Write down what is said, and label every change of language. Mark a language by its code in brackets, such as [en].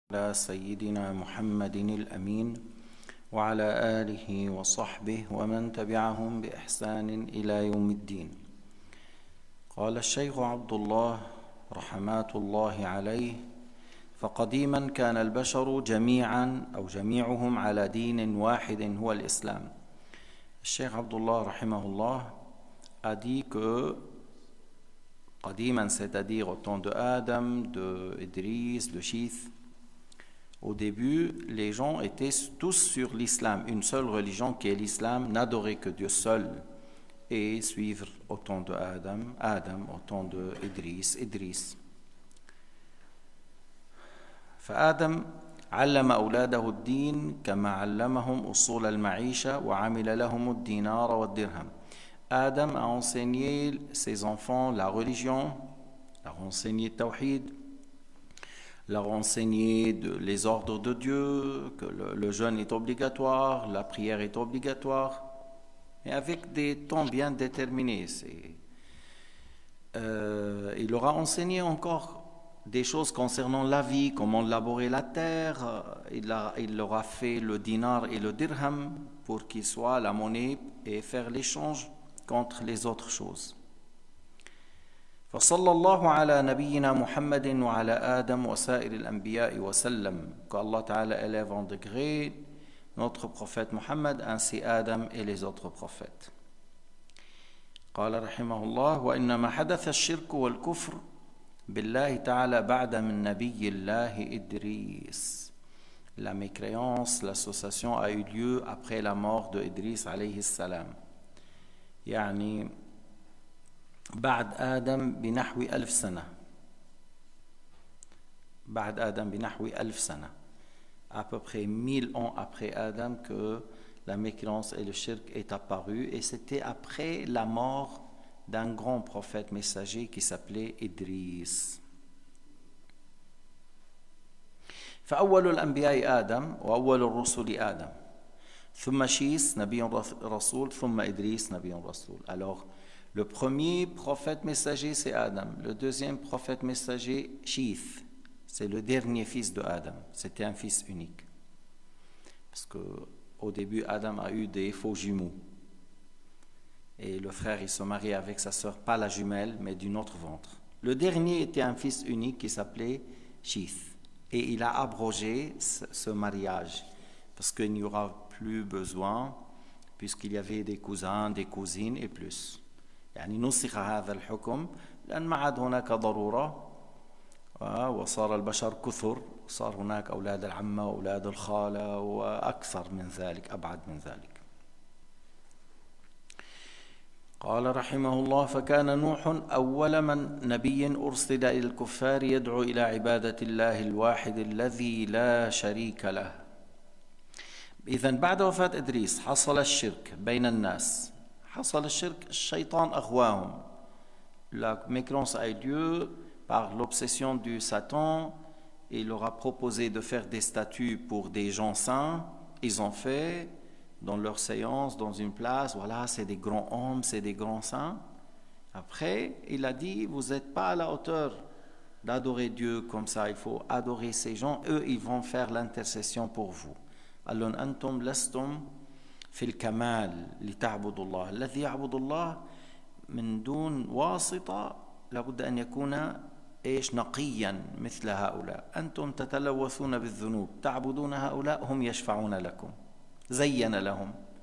[ar] على سيدنا محمد الأمين وعلى آله وصحبه ومن تبعهم بإحسان إلى يوم الدين. قال الشيخ عبد الله رحمات الله عليه: فقديما كان البشر جميعا أو جميعهم على دين واحد هو الإسلام. الشيخ عبد الله رحمه الله [fr] a dit que [ar] قديما [fr] c'est-à-dire au temps de Adam, de Idris, de Shith, au début, les gens étaient tous sur l'islam, une seule religion qui est l'islam, n'adorer que Dieu seul et suivre au temps de Adam, Adam au temps de Idris, Idris. [ar] فآدم علم أولاده الدين كما علمهم أصول المعيشة وعمل لهم الدينار والدرهم. [fr] آدم a enseigné ses enfants la religion, a enseigné le tawhid, leur enseigner les ordres de Dieu, que le jeûne est obligatoire, la prière est obligatoire, mais avec des temps bien déterminés. Il leur a enseigné encore des choses concernant la vie, comment labourer la terre. Il leur a fait le dinar et le dirham pour qu'ils soient la monnaie et faire l'échange contre les autres choses. [ar] فصلى الله على نبينا محمد وعلى آدم وسائر الأنبياء وسلم. الله تعالى [fr] élève en degré notre prophète محمد ainsi آدم et les autres prophètes. [ar] قال رحمه الله: وإنما حدث الشرك والكفر بالله تعالى بعد من نبي الله إدريس. [fr] La mécréance, l'association a eu lieu après la mort de Idris [ar] عليه السلام. يعني بعد آدم بنحو ألف سنة. بعد آدم بنحو ألف سنة. [fr] à peu près 1000 ans après Adam que la mécréance et le shirk est apparu et c'était après la mort d'un grand prophète messager qui s'appelait Idris. [ar] فأول الأنبياء آدم وأول الرسل آدم ثم شيس نبي رسول ثم إدريس نبي رسول. [fr] alors le premier prophète messager, c'est Adam. Le deuxième prophète messager, Shith. C'est le dernier fils de Adam. C'était un fils unique. Parce qu'au début, Adam a eu des faux jumeaux. Et le frère, il se marie avec sa sœur, pas la jumelle, mais d'une autre ventre. Le dernier était un fils unique qui s'appelait Shith. Et il a abrogé ce mariage. Parce qu'il n'y aura plus besoin, puisqu'il y avait des cousins, des cousines et plus. [ar] يعني نسخ هذا الحكم لأن ما عاد هناك ضرورة وصار البشر كثر صار هناك أولاد العمة وأولاد الخالة وأكثر من ذلك أبعد من ذلك. قال رحمه الله: فكان نوح أول من نبي أرسل إلى الكفار يدعو إلى عبادة الله الواحد الذي لا شريك له. إذن بعد وفاة إدريس حصل الشرك بين الناس. حصل الشرك الشيطان أغواهم. [fr] La mécréance a eu lieu par l'obsession du Satan. Il leur a proposé de faire des statues pour des gens saints. Ils ont fait dans leur séance, dans une place. Voilà, c'est des grands hommes, c'est des grands saints. Après, il a dit, vous n'êtes pas à la hauteur d'adorer Dieu comme ça. Il faut adorer ces gens. Eux, ils vont faire l'intercession pour vous. [ar] Alors, antum lastum في الكمال لتعبد الله الذي يعبد الله من دون واسطة لابد أن يكون إيش نقيا مثل هؤلاء. أنتم تتلوثون بالذنوب تعبدون هؤلاء هم يشفعون لكم. زين لهم.